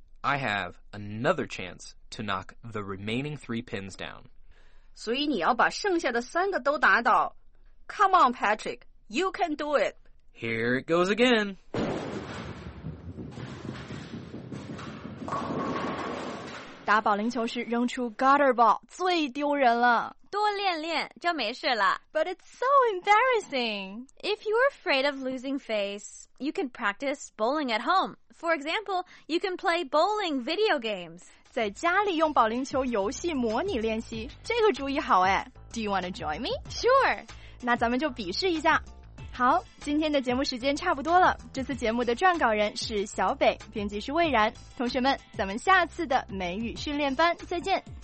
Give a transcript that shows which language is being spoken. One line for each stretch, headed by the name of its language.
English: I have another chance to knock the remaining 3 pins down.
Chinese: 所以你要把剩下的3个都打倒。
English: Come on, Patrick. You can do it. Here it goes again.
Chinese: 打保龄球时扔出 gutter ball 最丢人了，多练练就没事了。
English: But it's so embarrassing. If you're afraid of losing face, you can practice bowling at home. For example, you can play bowling video games.
Chinese: 在家里用保龄球游戏模拟练习，这个主意好哎。
English: Do you want to join me? Sure.
Chinese: 那咱们就比试一下。好，今天的节目时间差不多了。这次节目的撰稿人是小北，编辑是魏然。同学们，咱们下次的美语训练班再见，